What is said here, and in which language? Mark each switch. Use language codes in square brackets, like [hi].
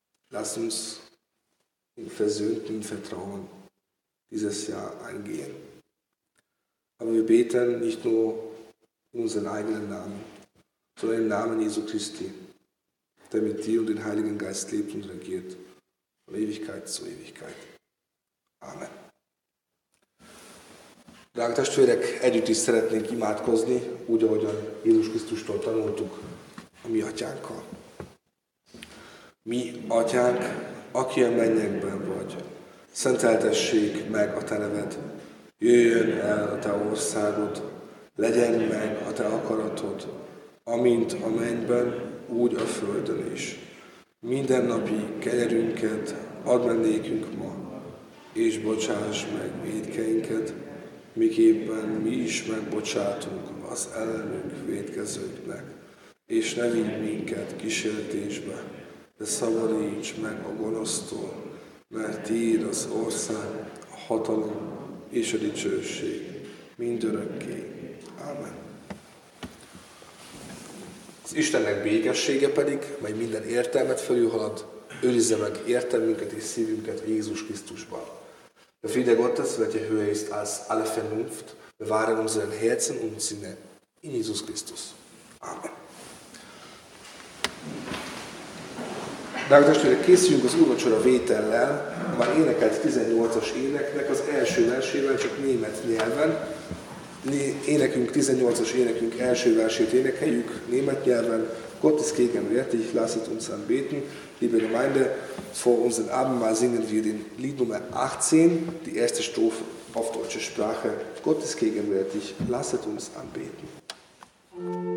[de] Lass uns in versöhntem Vertrauen dieses Jahr eingehen. Aber wir beten nicht nur in unseren eigenen Namen, sondern im Namen Jesu Christi, der mit dir und dem Heiligen Geist lebt und regiert von Ewigkeit zu Ewigkeit. Amen. [hu] Drága testvérek, együtt is szeretnénk imádkozni, úgy, ahogyan Jézus Krisztustól tanultuk a mi atyánkkal. Mi atyánk, aki a mennyekben vagy, szenteltessék meg a te neved, jöjjön el a te országod, legyen meg a te akaratod, amint a mennyben, úgy a földön is. Mindennapi kenyerünket add meg nékünk ma, és bocsáss meg vétkeinket, miképpen mi is megbocsátunk az ellenünk vétkezőknek, és ne vigy minket kísértésbe, de szabadíts meg a gonosztól, mert tiéd az ország, a hatalom és a dicsőség mindörökké. Amen. Az Istennek békessége pedig, mely minden értelmet felülhalad, őrizze meg értelmünket és szívünket Jézus Krisztusban. [de] Der Friede Gottes, welcher höher ist als alle Vernunft, bewahre unseren Herzen und Sinne in Jesus Christus. Amen. [hu] Drága testvérek, készüljünk az úrvacsora vétellel, a már énekelt 18-as éneknek az első versével, csak német nyelven. Énekünk 18-as énekünk első versét énekeljük német nyelven. [de] Gott ist gegen wertig, lasset uns anbeten. Liebe Gemeinde, vor unserem Abendmahl singen wir den Lied Nummer 18, die erste Strophe auf deutsche Sprache. Gott ist gegenwärtig, lasset uns anbeten.